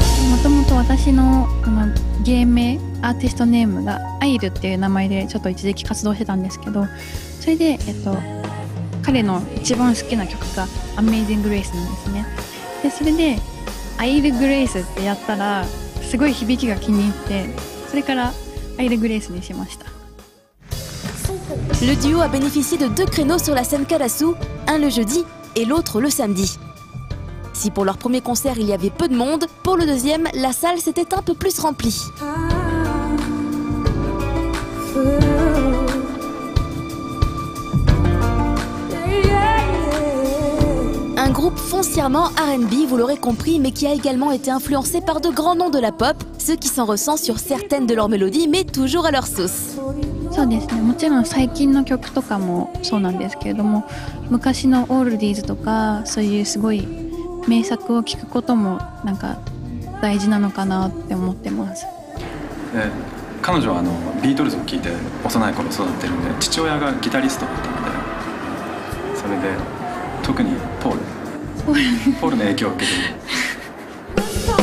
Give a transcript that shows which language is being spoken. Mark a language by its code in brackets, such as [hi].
[ja] もともと私の芸名アーティストネームがアイルっていう名前でちょっと一時期活動してたんですけど、それで彼の一番好きな曲がアメージングレイスなんですね。でそれでアイルグレイスってやったらすごい響きが気に入って、それからアイルグレイスにしました。 [fr] Le duo a bénéficié de deux créneaux sur la scène Kalassou, un le jeudi et l'autre le samedi. Si pour leur premier concert il y avait peu de monde, pour le deuxième la salle s'était un peu plus remplie. Un groupe foncièrement R&B, vous l'aurez compris, mais qui a également été influencé par de grands noms de la pop, ce qui s'en ressent sur certaines de leurs mélodies, mais toujours à leur sauce. [ja] そうですね、もちろん最近の曲とかもそうなんですけれども、昔のオールディーズとかそういうすごい名作を聴くこともなんか大事なのかなって思ってます。彼女はビートルズを聴いて幼い頃育ってるんで、父親がギタリストだったので、それで特にポールポールの影響を受けてる。